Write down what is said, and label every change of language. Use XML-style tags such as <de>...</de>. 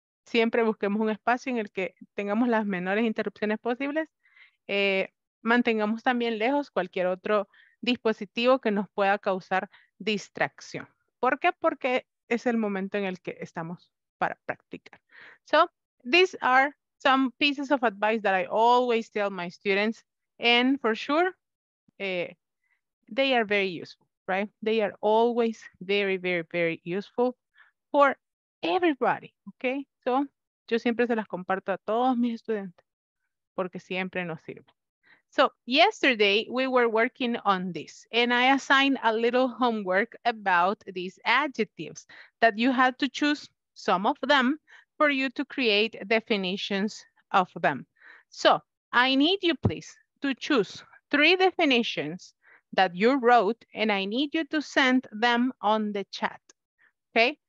<es>Siempre busquemos un espacio en el que tengamos las menores interrupciones posibles. Mantengamos también lejos cualquier otro dispositivo que nos pueda causar distracción. ¿Por qué? Porque es el momento en el que estamos para practicar.</es> <en>So, these are some pieces of advice that I always tell my students. And for sure, they are very useful, right? They are always very, very, very useful for everybody, okay?</en> <es>So, yo siempre se las comparto a todos mis estudiantes porque siempre nos sirve.</es> <en>So, yesterday we were working on this and I assigned a little homework about these adjectives that you had to choose some of them for you to create definitions of them. So, I need you please to choose three definitions that you wrote and I need you to send them on the chat, okay?</en>